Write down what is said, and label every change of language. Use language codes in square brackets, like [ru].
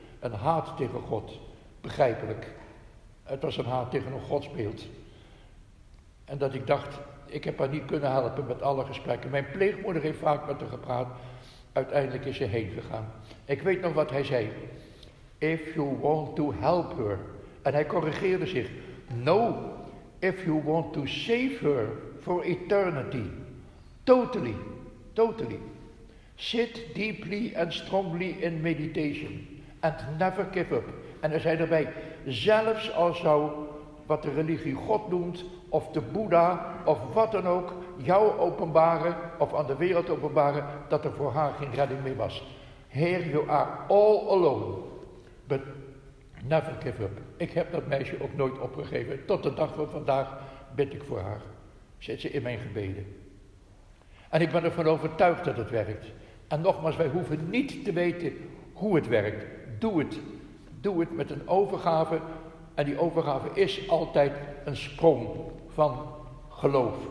[nl] Een haat tegen God, begrijpelijk. Het was een haat tegen een godsbeeld. En dat ik dacht, ik heb haar niet kunnen helpen met alle gesprekken. Mijn pleegmoeder heeft vaak met haar gepraat. Uiteindelijk is ze heen gegaan. Ik weet nog wat hij zei. [en] If you want to help her. [nl] En hij corrigeerde zich. [en] No, if you want to save her for eternity. Totally, totally. Sit deeply and strongly in meditation. And never give up. [nl] En hij zei erbij, zelfs als zou wat de religie God noemt, of de Boeddha, of wat dan ook, jou openbaren, of aan de wereld openbaren, dat er voor haar geen redding meer was. [en] Here you are all alone, but never give up. [nl] Ik heb dat meisje ook nooit opgegeven. Tot de dag van vandaag bid ik voor haar. Zit ze in mijn gebeden. En ik ben ervan overtuigd dat het werkt. En nogmaals, wij hoeven niet te weten hoe het werkt. Doe het. Doe het met een overgave. En die overgave is altijd een sprong van geloof.